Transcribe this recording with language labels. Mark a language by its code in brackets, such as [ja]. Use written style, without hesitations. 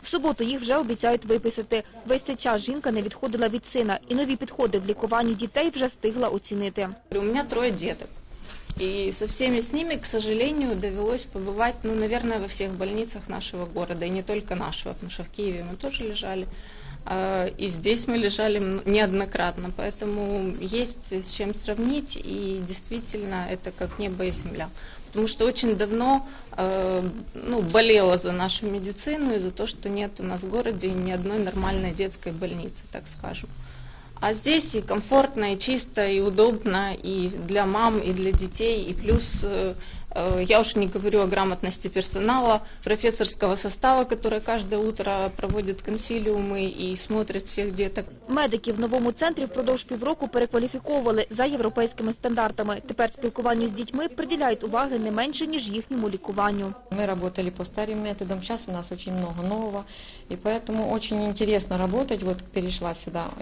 [uk] В суботу їх вже обіцяють виписати. Весь цей час жінка не відходила від сина, і нові підходи в лікуванні дітей вже встигла оцінити. У мене троє діток, і зі всіма з ними, [ru] к сожалению, [uk] довелось побувати, ну, [ru] наверное, [uk] во всіх больницях нашого міста, і не тільки нашого, тому що в Києві ми теж лежали. [ru] И здесь мы лежали неоднократно, поэтому есть с чем сравнить, и действительно это как небо и земля. Потому что очень давно болела за нашу медицину и за то, что нет у нас в городе ни одной нормальной детской больницы, так скажем. А здесь и комфортно, и чисто, и удобно и для мам, и для детей, и плюс... Я уж не говорю о грамотности персонала, профессорского состава, который каждое утро проводит консилиумы и смотрит всех деток. [uk] Медики в новому центрі впродовж півроку перекваліфіковували за європейськими стандартами. Тепер спілкуванню з дітьми приділяють уваги не менше, ніж їхньому лікуванню. Ми працювали по старим методам, зараз у нас дуже багато нового, і тому дуже цікаво працювати, от перейшла сюди.